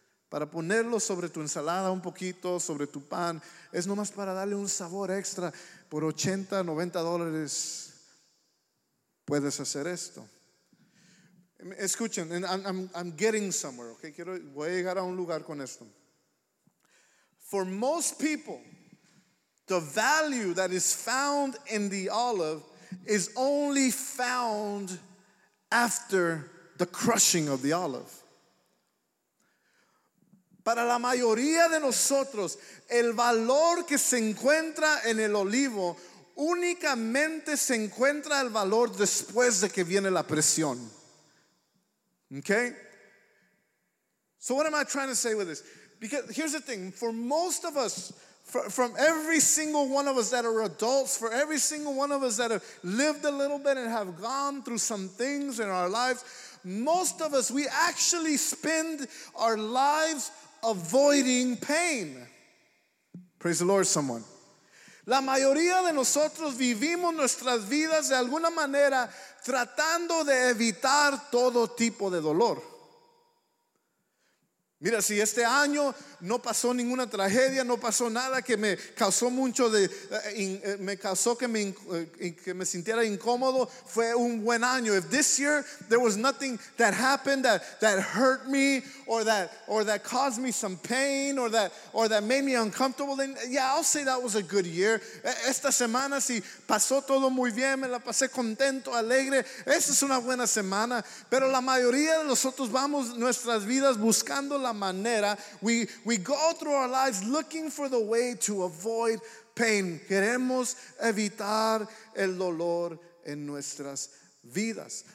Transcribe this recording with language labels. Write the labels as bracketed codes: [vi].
[es] para ponerlo sobre tu ensalada un poquito, sobre tu pan, es nomás para darle un sabor extra. Por 80, 90 dólares puedes hacer esto. Escuchen, [en] I'm getting somewhere, okay? [es] Quiero, voy a llegar a un lugar con esto. [en] For most people, the value that is found in the olive is only found after the crushing of the olive. [es] Para la mayoría de nosotros, el valor que se encuentra en el olivo únicamente se encuentra el valor después de que viene la presión. [en] Okay? So what am I trying to say with this? Because here's the thing, for most of us, from every single one of us that are adults, for every single one of us that have lived a little bit and have gone through some things in our lives, most of us, we actually spend our lives avoiding pain. Praise the Lord, someone. [es] La mayoría de nosotros vivimos nuestras vidas de alguna manera tratando de evitar todo tipo de dolor. Mira, si este año no pasó ninguna tragedia, no pasó nada que me causó mucho de, me causó que me sintiera incómodo, fue un buen año. [en] If this year there was nothing that happened that hurt me or that caused me some pain or that made me uncomfortable, then yeah, I'll say that was a good year. [es] Esta semana si pasó todo muy bien, me la pasé contento, alegre, esa es una buena semana. Pero la mayoría de nosotros vamos nuestras vidas buscando la manera, [en] we go through our lives looking for the way to avoid pain. [es] Queremos evitar el dolor en nuestras vidas.